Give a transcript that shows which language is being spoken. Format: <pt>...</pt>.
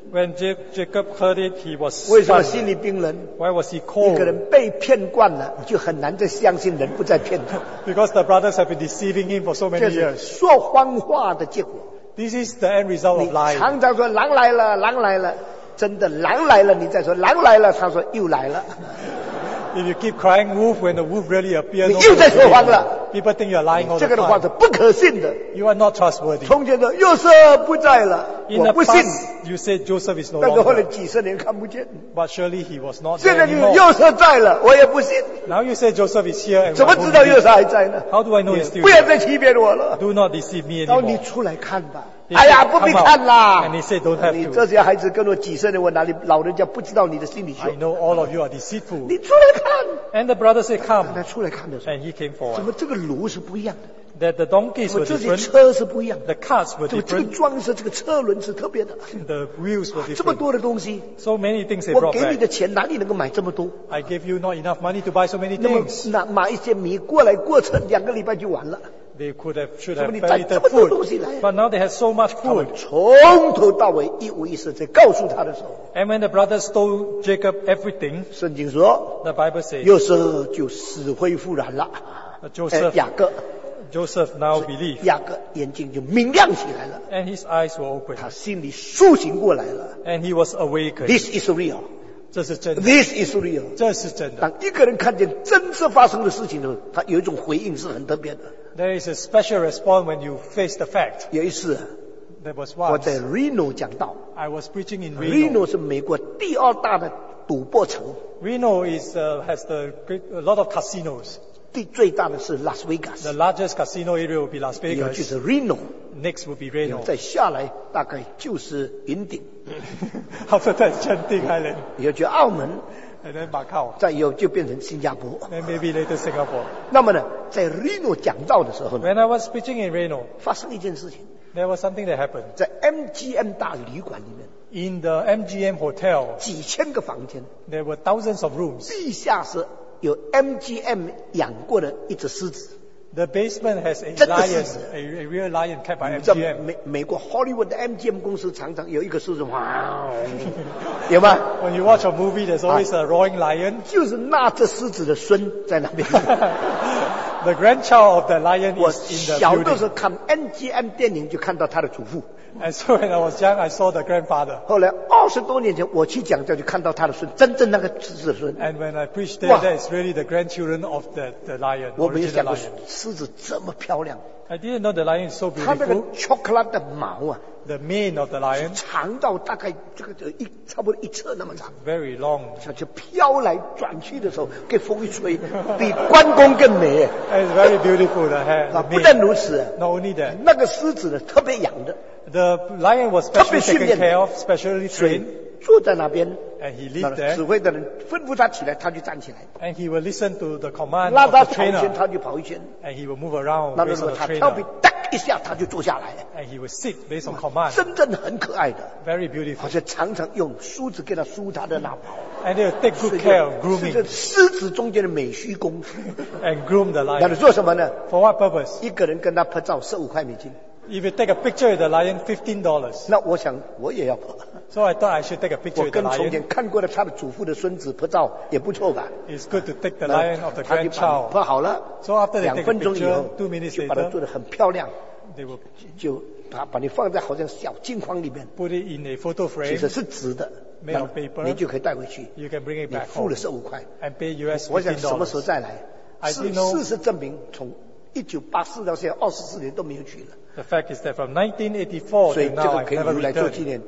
<en>when Jacob heard it, he was stunned.</en> <zh>为什么心里冰冷?</zh> <en>Why was he cold?</en> <zh>一个人被骗惯了,就很难再相信人不再骗他。</zh> <en>Because the brothers have been deceiving him for so many years.</en> <zh>这是说谎话的结果。</zh> <en>This is the end result of lying.</en> <zh>你常常说狼来了,狼来了, 真的狼来了你再说狼来了他说又来了。</zh> <en>If you keep crying wolf when the wolf really appears,</en> <zh>你又在说谎了,</zh> <en>people think you are lying all the time.</en> <zh>这个的话是不可信的,</zh> <en>you are not trustworthy.</en> <zh>从前的约瑟不在了, 我不信,</zh> <en>you said Joseph is no longer,</en> <zh>但是后来几十年看不见,</zh> <en>but surely he was not there anymore.</en> <zh>现在约瑟在了我也不信,</zh> <en>now you say Joseph is here,</en> <zh>怎么知道约瑟还在呢?</zh> <en>How do I know he's still there?</en> <zh>不要再欺骗我了,</zh> <en>do not deceive me anymore.</en> <zh>然后你出来看吧, 哎呀不必看啦,</zh> <en>and he said don't have to.</en> <zh>你这些孩子跟我几十年我哪里老人家不知道你的心里去,</zh> <en>I know all of you are deceitful.</en> <zh>你出来看,</zh> <en>and the brother said come,</en> <zh>他出来看的时候,</zh> <en>and he came forward.</en> <zh>怎么这个炉是不一样的?</zh> <en>That the donkeys were different.</en> <zh>这些车是不一样的,</zh> <en>the carts were different.</en> <zh>这个装饰这个车轮是特别的,</zh> <en>the wheels were different.</en> <zh>这么多的东西,</zh> <en>so many things they brought back.</en> <zh>我给你的钱哪里能够买这么多?</zh> <en>I gave you not enough money to buy so many things.</en> <zh>那么买一些米过来过秤两个礼拜就完了,</zh> <en>they could have, should have fed the food. But now they have so much food.</en> <zh>从头到尾一五一十再告诉他的时候,</zh> <en>and when the brothers told Jacob everything,</en> <zh>圣经说,</zh> <en>the Bible says,</en> <zh>约瑟就死灰复燃了,</zh> <en>Joseph,</en> <zh>雅各,</zh> <en>Joseph now believed.</en> <zh>雅各眼睛就明亮起来了,</zh> <en>and his eyes were open.</en> <zh>他心里苏醒过来了,</zh> <en>and he was awakened. This is real.</en> <zh>这是真的,</zh> <en>this is real.</en> <zh>这是真的, 当一个人看见真实发生的事情的时候, 他有一种回应是很特别的。</zh> <en>There is a special response when you face the fact.</en> <zh>有一次,</zh> <en>there was once,</en> <zh>我在 Reno 讲道,</zh> <en>I was preaching in Reno.</en> <zh>Reno 是美国第二大的赌博城,</zh> <en>Reno is, has the great, a lot of casinos.</en> <zh>最大的是 Las Vegas.</zh> <en>The largest casino area will be Las Vegas.</en> <zh>也就是 Reno.</zh> <en>Next will be Reno.</en> <zh>再下来大概就是云顶,</zh> <en>after that 圈顶 Island.</en> <zh>也就澳门,</zh> <en>and then Macau.</en> <zh>再有就变成新加坡,</zh> <en>and maybe later Singapore.</en> <zh>那么呢, 在 Reno 讲道的时候,</zh> <en>when I was preaching in Reno,</en> <zh>发生一件事情,</zh> <en>there was something that happened.</en> <zh>在 MGM 大旅馆里面,</zh> <en>in the MGM hotel,</en> <zh>几千个房间,</zh> <en>there were thousands of rooms.</en> <zh>地下室 有 MGM 养过的一只狮子,</zh> <en>the basement has a lion, a real lion kept by MGM.</en> <zh>美国 Hollywood 的 MGM 公司常常有一个狮子, 哇, 有吗?</zh> <en>When you watch a movie, there's always a roaring lion.</en> <zh>就是那只狮子的孙在那边,</zh> <en>the grandchild of the lion is in the building.</en> <zh>我小的时候看 MGM 电影就看到他的祖父,</zh> <en>and so when I was young, I saw the grandfather.</en> <zh>后来20多年前我去讲教就看到他的孙真正那个狮子孙,</zh> <en>and when I preached there, that is really the grandchildren of the lion, original lion.</en> <zh>狮子这么漂亮,</zh> <en>I didn't know the lion is so beautiful.</en> <zh>它那个 chocolate 的毛啊,</zh> <en>The mane of the lion.</en> <zh>长到大概差不多一尺那么长。</zh> <en>Very long.</en> <zh>像就飘来转去的时候，给风一吹，比关公更美。</zh> <en>It's very beautiful the hair.</en> <zh>那不但如此。</zh> <en>Not only that.</en> <zh>那个狮子呢，特别养的。</zh> <en>The lion was specially taken care of, specially trained.</en> <zh>坐在那边。</zh> <en>And he lived there.</en> <zh>指挥的人吩咐他起来，他就站起来。</zh> <en>And he will listen to the command of the trainer.</en> <zh>拉他跑一圈，他就跑一圈。</zh> <en>And he will move around based on the trainer.</en> <zh>一下他就坐下来,</zh> <en>and he would sit based on command.</en> <zh>真正很可爱的,</zh> <en>very beautiful.</en> <zh>而且常常用梳子给他梳他的喇叭,</zh> <en>and he would take good care of grooming.</en> <zh>是狮子中间的美须公,</zh> <en>and groom the lion.</en> <zh>那你做什么呢?</zh> <en>For what purpose?</en> <zh>一个人跟他拍照, 15块美金。</zh> <en>If you take a picture of the lion, $15.</en> <zh>那我想我也要,</zh> <en>so I thought I should take a picture of the lion.</en> <zh>我跟从前看过的他的祖父的孙子拍照, 也不错吧。</zh> <en>It's good to take the lion of the grandchild.</en> <zh>拍好了,</zh> <en>so after they take a picture, 2 minutes later,</en> <zh>就把它做得很漂亮,</zh> <en>they will</en> <zh>就把你放在好像小镜框里面,</zh> <en>put it in a photo frame.</en> <zh>其实是纸的,</zh> <en>made of paper.</en> <zh>你就可以带回去,</zh> <en>you can bring it back home.</en> <zh>你付了15块,</zh> <en>and pay US $15.</en> <zh>我想什么时候再来, 事实证明, 从1984到现在24年都没有去了。</zh> <en>The fact is that from 1984 to now, I never returned.</en>